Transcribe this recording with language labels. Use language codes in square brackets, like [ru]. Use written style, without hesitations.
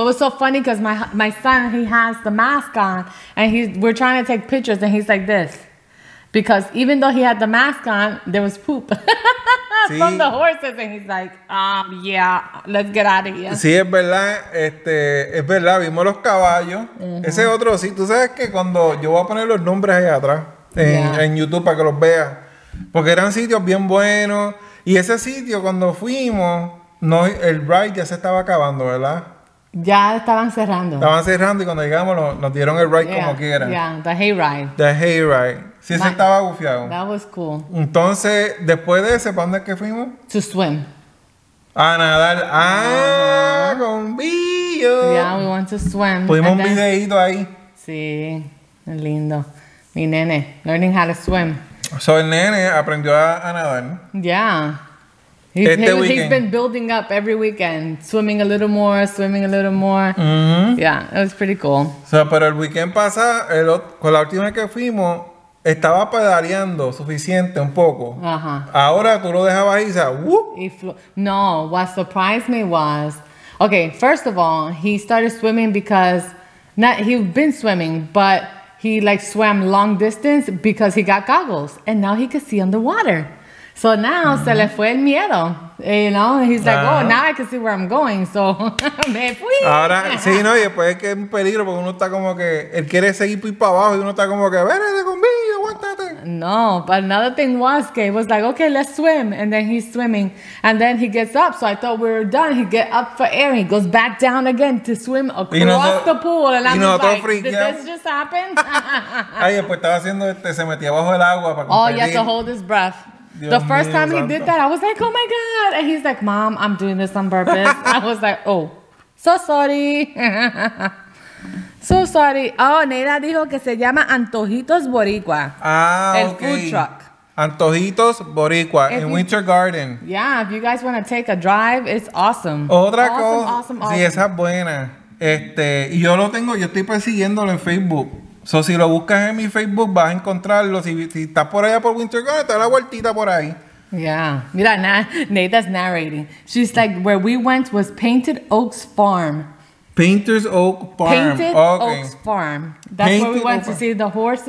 [en] It was so funny because my son, he has the mask on and we're trying to take pictures and he's like this. Because even though he had the mask on, there was poop from the horses and he's like, let's get out of here. [es] Sí, es verdad. Es verdad. Vimos los caballos. Uh-huh. Ese otro, sí. Tú sabes que cuando yo voy a poner los nombres ahí atrás en YouTube para que los veas, porque eran sitios bien buenos. Y ese sitio, cuando fuimos, no, el ride ya se estaba acabando, ¿verdad? Ya estaban cerrando. Estaban cerrando y cuando llegamos nos dieron el ride como quieran. [en] Yeah, the hayride. [es] The hayride. Sí, se estaba bufiado. [en] That was cool. [es] Entonces, después de ese, ¿para dónde es que fuimos? [en] To swim. [es] A nadar. Con Billo. [en] Yeah, we went to swim. [es] Pudimos un videito ahí. Sí, lindo. Mi nene, [en] learning how to swim. [es] So, el nene aprendió a nadar. [en] Yeah. He's been building up every weekend, swimming a little more. Mm-hmm. Yeah, it was pretty cool. [es] So, pero el weekend pasado, con la última que fuimos, estaba pedaleando suficiente un poco. Uh-huh. Ahora tú lo dejabas y se... [en] No, what surprised me was... Okay, first of all, he started swimming because... he'd been swimming, but he like swam long distance because he got goggles. And now he could see underwater. So now, uh-huh. [es] Se le fue el miedo, [en] you know? He's like, uh-huh. Oh, now I can see where I'm going, so [es] me fui. Ahora, sí, no, y después es que es un peligro, porque uno está como que, él quiere seguir para abajo, y uno está como que, vérete conmigo, aguántate. [en] No, but another thing was que it was like, okay, let's swim, and then he's swimming, and then he gets up, so I thought we were done, he get up for air, and he goes back down again to swim across the pool, and I'm like, did this just happen? [es] Ay, después estaba haciendo se metía bajo el agua para [en] compartir. Oh, yeah, to hold his breath. Dios the first time santo. He did that, I was like, oh my God. And he's like, Mom, I'm doing this on purpose. I was like, oh, so sorry. So sorry. [es] Oh, Neira dijo que se llama Antojitos Boricua. Ah, el [en] okay. Food truck. Antojitos Boricua if in you, Winter Garden. Yeah, if you guys want to take a drive, it's awesome. [es] Otra [en] awesome, [es] cosa. [en] Awesome. [es] Sí, esa es buena. Y yo lo tengo, yo estoy persiguiéndolo en Facebook. So, si lo buscas en mi Facebook, vas a encontrarlo. Si estás por allá por Winter Garden, te da la vueltita por ahí. [en] Yeah. [es] Mira, [en] Nathan's narrating. She's like, where we went was Painted Oaks Farm. Painter's Oak Farm. Painted okay. Oaks Farm. That's Painted where we went to see the horses.